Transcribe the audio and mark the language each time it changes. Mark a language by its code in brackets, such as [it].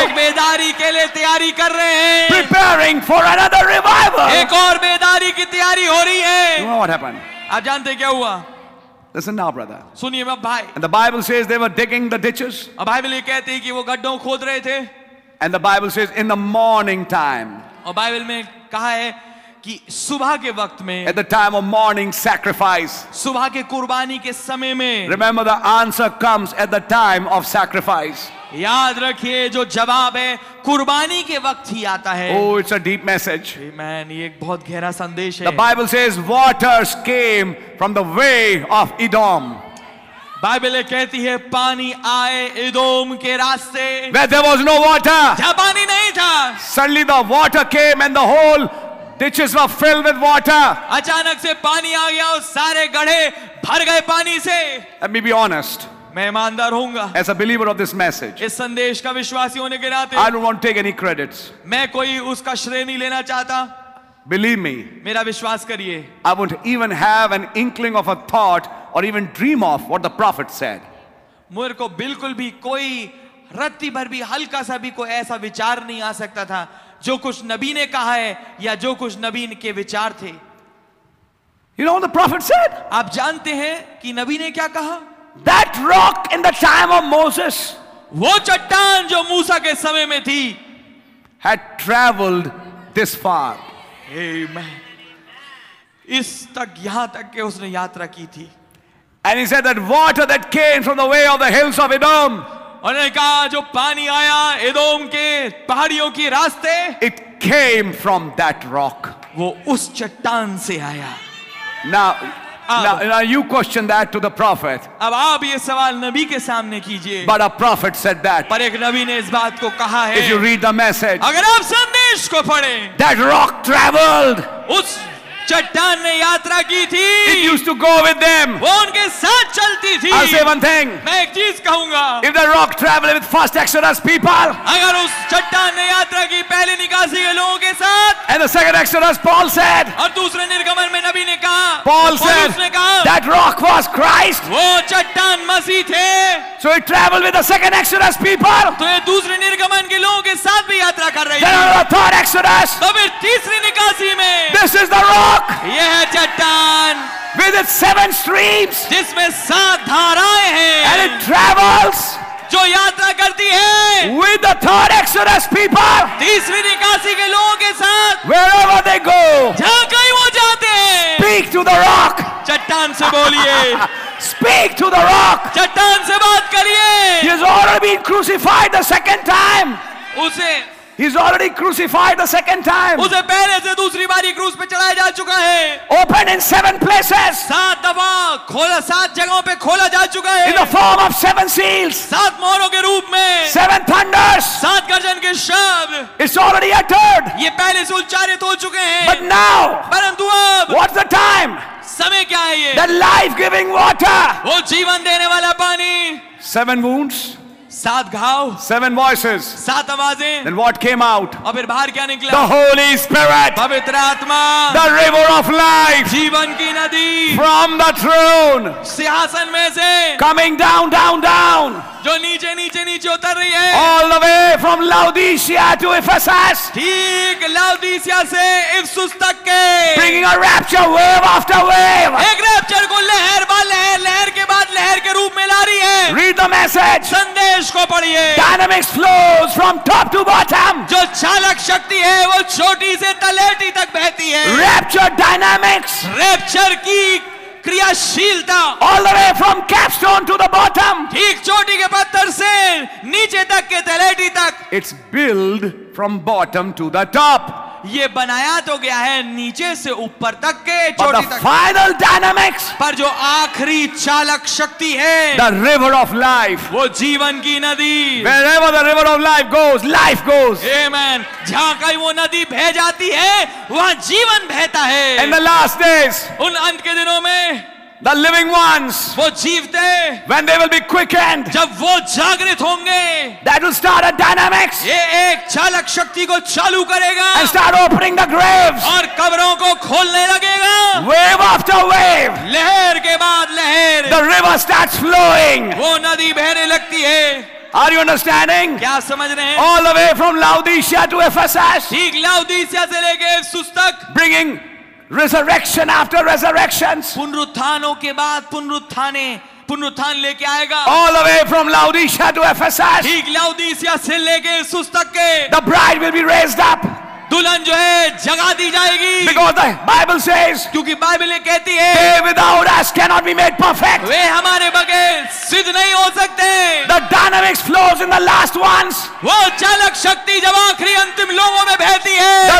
[hi] एक बेदारी के लिए तैयारी कर रहे हैं. [en] Preparing for another revival. [hi] एक और बेदारी की तैयारी हो रही है. [en] You know what happened? [hi] आप जानते क्या हुआ? [en] Listen now, brother. [hi] सुनिए मेरा भाई. [en] And the Bible says they were digging the ditches. [hi] अब बाइबल ये कहती है कि वो गड्ढों खोद रहे थे. [en] And the Bible says in the morning time. [hi] और बाइबल में कहा है कि सुबह के वक्त में. [en] At the time of morning sacrifice. [hi] सुबह के कुर्बानी के समय में. [en] Remember the answer comes at the time of sacrifice. [hi] याद रखिए जो जवाब है कुर्बानी के वक्त ही आता है. [en] Oh, it's a deep message. [hi] Amen. ये एक बहुत गहरा संदेश है. [en] The Bible says waters came from the way of Edom. [hi] Bible कहती है पानी आए एदोम के रास्ते. [en] Where there was no water. [hi] जहाँ पानी नहीं था. [en] Suddenly the water came and the whole ditches were filled with water. [hi] अचानक से पानी आ गया और सारे गढ़े भर गए पानी से. [en] Let me be honest. [hi] मैं ईमानदार हूंगा. [en] As a believer of this message, [hi] इस संदेश का विश्वासी होने के नाते, [en] I don't want to take any credits. [hi] मैं कोई उसका श्रेय नहीं लेना चाहता. [en] Believe me, [hi] मेरा विश्वास करिए. [en] I won't even have an inkling of a thought or even dream of what the prophet said. [hi] मुझे को बिल्कुल भी कोई रत्ती भर भी हल्का सा भी कोई ऐसा विचार नहीं आ सकता था जो कुछ नबी ने कहा है या जो कुछ नबी के विचार थे. [en] You know what the prophet said? [hi] आप जानते हैं कि नबी ने क्या कहा? [en] That rock in the time of Moses, [hi] वो चट्टान जो मूसा के समय में थी, [en] had traveled this far. Amen. [hi] इस तक यहां तक के उसने यात्रा की थी. [en] And he said that water that came from the way of the hills of Edom, [hi] और ने कहा जो पानी आया एदोम के पहाड़ियों के रास्ते, [en] it came from that rock. [hi] वो उस चट्टान से आया. [en] Now you question that to the prophet. [hi] अब आप ये सवाल नबी के सामने कीजिए. [en] But a prophet said that. [hi] पर एक नबी ने इस बात को कहा है. [en] If you read the message. [hi] अगर आप संदेश को पढ़ें. [en] That rock traveled. [hi] उस चट्टान ने यात्रा की थी. [en] It used to go with them. [hi] वो उनके साथ चलती थी. [en] I'll say one thing. [hi] मैं एक चीज कहूँगा. [en] If the rock traveled with first Exodus people. [hi] अगर उस चट्टान ने यात्रा की पहले निकासी के लोगों के साथ. [en] And the second Exodus Paul said. [hi] और दूसरे निर्गमन में नबी ने कहा. [en] Paul said. [hi] उसने कहा. [en] That rock was Christ. [hi] वो चट्टान मसीह थे. [en] So it traveled with the second Exodus people. [hi] तो ये दूसरे निर्गमन के लोगों के साथ भी यात्रा कर रही [en] थी. Then the third Exodus. [hi] तो फिर तीसरी निकासी में. [en] This is the rock. [hi] ये है चट्टान. [en] With its seven streams. [hi] जिसमें सात धाराएं हैं. [en] And it travels. [hi] जो यात्रा करती है. [en] With the third Exodus people. [hi] तीसरी निकासी के लोगों के साथ. [en] Wherever they go. [hi] जहां कहीं वो जाते हैं. [en] Speak to the rock. [hi] चट्टान से बोलिए. [en] Speak to the rock. [hi] चट्टान से बात करिए. [en] He has already been crucified the second time. [hi] उसे [en] He's already crucified the second time. [hi] उसे पहले से दूसरी बारी क्रूस पे चढ़ाया जा चुका है. [en] Open in seven places. [hi] सात दफा खोला सात जगहों पे खोला जा चुका है. [en] In the form of seven seals. [hi] सात मोहरों के रूप में. [en] Seven thunders. [hi] सात गर्जन के शब्द. [en] It's already uttered. [hi] ये पहले से उच्चारित हो चुके हैं. [en] But now. [hi] परंतु अब. [en] What's the time? [hi] समय क्या है ये? [en] The life-giving water. [hi] वो जीवन देने वाला पानी. [en] Seven wounds. [hi] सात घाव. [en] Seven voices. [hi] सात आवाजें. [en] Then what came out? [hi] और फिर बाहर क्या निकला? [en] The Holy Spirit. [hi] पवित्र आत्मा. [en] The river of life. [hi] जीवन की नदी. [en] From the throne. [hi] सिंहासन में से. [en] Coming down, down, down. [hi] जो नीचे नीचे नीचे उतर रही है. [en] All the way from Laodicea to Ephesus. [hi] ठीक Laodicea से Ephesus तक के. [en] Bringing a rapture wave after wave. [hi] एक रैप्चर को लहर बाद लहर, लहर के बाद लहर के रूप में ला रही है. [en] Read the message. [hi] संदेश को पढ़िए. [en] Dynamics flows from top to bottom. [hi] जो चालक शक्ति है वो छोटी से तलेटी तक बहती है. [en] Rapture dynamics. [hi] रैप्चर की क्रियाशीलता. [en] All the way from capstone to the bottom. [hi] ठीक चोटी के पत्थर से नीचे तक के तलेटी तक. [en] It's built from bottom to the top. [hi] ये बनाया तो गया है नीचे से ऊपर तक के चोटी तक. [en] Final dynamics. [hi] पर जो आखिरी चालक शक्ति है. [en] The river of life. [hi] वो जीवन की नदी. [en] Wherever the river of life goes, life goes. Amen. [hi] जहाँ कहीं वो नदी बह जाती है वहाँ जीवन बहता है. [en] In the last days. [hi] उन अंत के दिनों में. [en] The living ones, [hi] वो जीवते, [en] when they will be quickened, [hi] जब वो जागृत होंगे, [en] that will start a dynamics, [hi] ये एक चालक शक्ति को चालू करेगा, [en] and start opening the graves, [hi] और कब्रों को खोलने लगेगा, [en] wave after wave, [hi] लहर के बाद लहर, [en] the river starts flowing, [hi] वो नदी बहने लगती है. [en] Are you understanding? [hi] क्या समझ रहे हैं? [en] All the way from Laodicea to Ephesus, [hi] ठीक लाओदीसिया से लेके एफेसस तक, [en] bringing resurrection after resurrections, [hi] पुनरुत्थानों के बाद पुनरुत्थाने, पुनरुत्थान लेके आएगा. [en] All the way from Laodicea to Ephesus, [hi] ठीक लाओदीसिया से लेके एफेसस तक के, [en] the bride will be raised up, [hi] दुल्हन जो है जगा दी जाएगी. [en] Because the Bible says, [hi] क्योंकि बाइबल कहती है, [en] they without us cannot be made perfect, [hi] वे हमारे बगैर सिद्ध नहीं हो सकते. [en] The dynamics flows in the last ones, [hi] वो चालक शक्ति जब आखिरी अंतिम लोगों में बहती है.